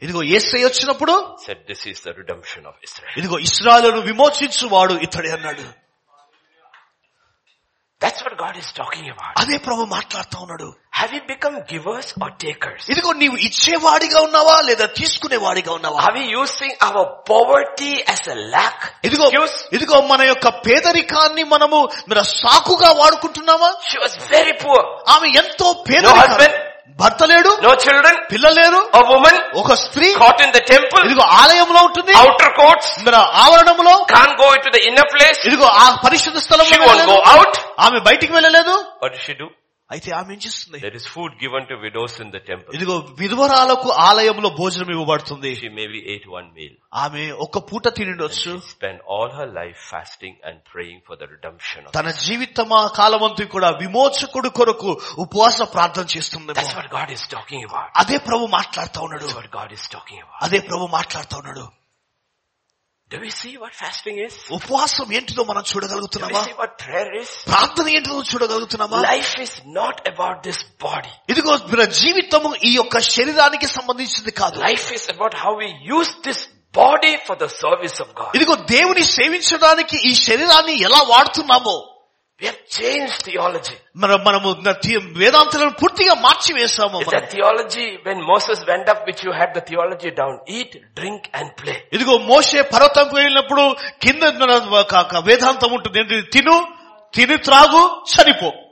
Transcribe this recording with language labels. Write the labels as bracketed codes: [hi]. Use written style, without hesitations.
[te] ఇదిగో యేసయ్య వచ్చినప్పుడు, [en] Said this is the redemption of ఇశ్రాయేల్. [te] ఇదిగో ఇశ్రాయేలును విమోచించు వాడు ఇతడే అన్నాడు. [en] That's what God is talking about. [te] అదే ప్రభు మాట్లాడుతూ ఉన్నాడు. [en] Have you become givers or takers? [te] ఇదిగో నీవు ఇచ్చేవాడిగా ఉన్నావా లేదా తీసుకునేవాడిగా ఉన్నావా? [en] Have you using our poverty as a lack? [te] ఇదిగో మన యొక్క పేదరికాన్ని మనము మరి సాకుగా వాడుకుంటున్నావా? [en] She was very poor. [te] ఆమె ఎంతో పేదరికం. భర్త లేడు. [en] No children. [te] పిల్ల లేరు. [en] A woman. [te] ఒక స్త్రీ. [en] Caught in the temple. [te] ఇదిగో ఆలయంలో ఉంటుంది. [en] Outer courts. [te] మన ఆవరణంలో. [en] Can't go to the inner place. [te] ఇదిగో ఆ పరిశుద్ధ స్థలం. [en] She won't go out. [te] ఆమె బయటికి వెళ్ళలేదు. [en] What did she do? [te] అయితే ఆమె ఏం చేస్తుంది? [en] There is food given to widows in the temple. [te] ఇదిగో విధవరాలకు ఆలయంలో భోజనం ఇవ్వబడుతుంది. [en] She maybe ate one meal. [te] ఆమె ఒక పూట తినిండొచ్చు. [en] Spend all her life fasting and praying for the redemption. [te] తన జీవితం ఆ కాలమంతా కూడా విమోచకుడు కొరకు ఉపవాస ప్రార్థన చేస్తుంది. [en] That's what God is talking about. [te] అదే ప్రభు మాట్లాడుతూ ఉన్నాడు. [en] that's what God is talking [te] about. అదే ప్రభు మాట్లాడుతూ ఉన్నాడు. [en] Do we see what fasting is? [te] ఉపవాసం ఏంటిదో మనం చూడగలుగుతున్నామా? [en] Do we see what prayer is? [te] ప్రార్థన ఏంటిదో చూడగలుగుతున్నామా? [en] Life is not about this body. [te] ఇదిగో మన జీవితము ఈ యొక్క శరీరానికి సంబంధించింది కాదు. [en] Life is about how we use this body for the service of God. [te] ఇదిగో దేవుని సేవించడానికి ఈ శరీరాన్ని ఎలా వాడుతున్నామో. [en] We have changed theology. [te] మనము వేదాంతాలను పూర్తిగా మార్చివేశాము. [en] The theology when Moses went up, which you had the theology down, eat, drink and play. [te] ఇదిగో మోషే పర్వతంకు వెళ్ళినప్పుడు కింద వేదాంతం ఉంటుంది, తిను తిని త్రాగు చనిపో.